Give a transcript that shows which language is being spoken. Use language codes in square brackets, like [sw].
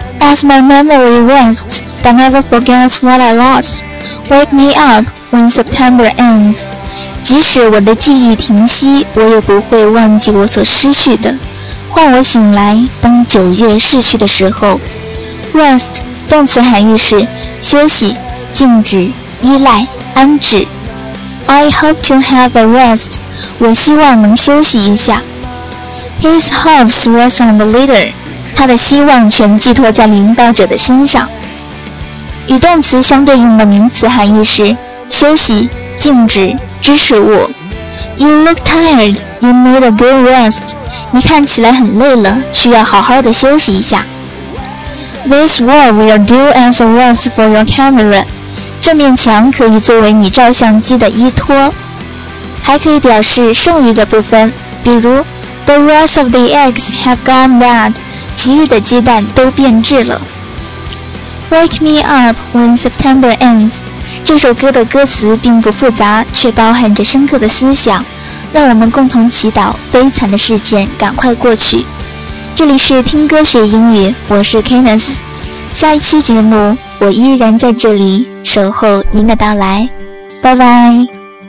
[en] As my memory rests, but never forgets what I lost. Wake me up. When September ends， [zh] 即使我的记忆停息，我也不会忘记我所失去的。换我醒来，当九月逝去的时候。Rest， 动词含义是休息、静止、依赖、安置。 [en] I hope to have a rest， [zh] 我希望能休息一下。 [en] His hopes rest on the leader， [zh] 他的希望全寄托在领导者的身上。与动词相对应的名词含义是休息、静止、支持物。 [en] You look tired, you need a good rest. [zh] 你看起来很累了，需要好好的休息一下。 [en] This wall will do as a rest for your camera. [zh] 这面墙可以作为你照相机的依托。还可以表示剩余的部分，比如 [en] The rest of the eggs have gone bad. [zh] 其余的鸡蛋都变质了。 [en] Wake me up when September ends. [zh] 这首歌的歌词并不复杂，却包含着深刻的思想，让我们共同祈祷悲惨的事件赶快过去。这里是听歌学英语，我是 Kenneth， 下一期节目我依然在这里守候您的到来，拜拜。